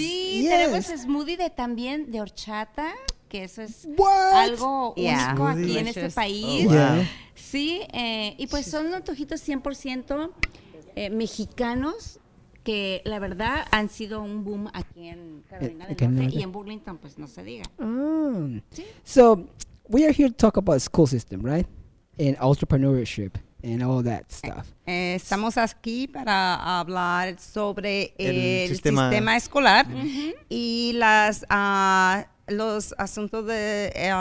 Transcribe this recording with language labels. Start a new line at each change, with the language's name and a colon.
Spanish: Sí, yes. Tenemos smoothie de horchata, que eso es
English: what?
Spanish: Algo yeah. Único smoothie aquí delicious. En este país.
English: Oh, wow.
Spanish: Sí, y pues son antojitos 100% mexicanos. Que la verdad han sido un boom aquí en Carolina del Norte y en Burlington, pues no se diga. Mm. ¿Sí?
English: So, we are here to talk about school system, right? And entrepreneurship and all that stuff.
Spanish: Estamos aquí para hablar sobre el sistema escolar y las los asuntos de...